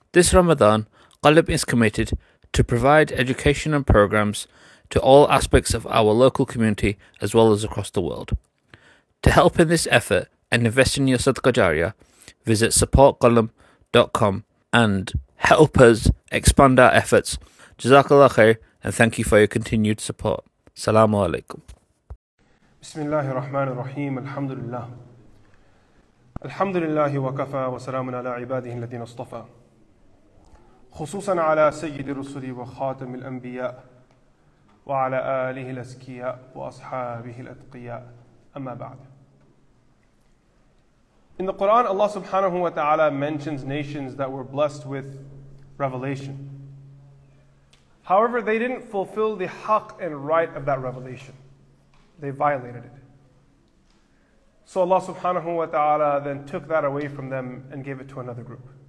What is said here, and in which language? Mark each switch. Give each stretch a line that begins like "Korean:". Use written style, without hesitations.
English: This Ramadan, Qalb is committed to provide education and programs to all aspects of our local community as well as across the world. To help in this effort and invest in your Sadqa Jariyah, visit supportqalb.com and help us expand our efforts. Jazakallah khair and thank you for your continued support. Assalamu alaikum.
Arabic: بسم الله الرحمن الرحيم الحمد لله الحمد لله وكفى وسلام على عباده الذين اصطفى خصوصا على سيد الرسل وخاتم الأنبياء وعلى آله الأزكياء وأصحابه الأتقياء أما بعد.
English: In the Quran, Allah subhanahu wa ta'ala mentions nations that were blessed with revelation. However, they didn't fulfill the haq and right of that revelation. They violated it. So Allah subhanahu wa ta'ala then took that away from them and gave it to another group.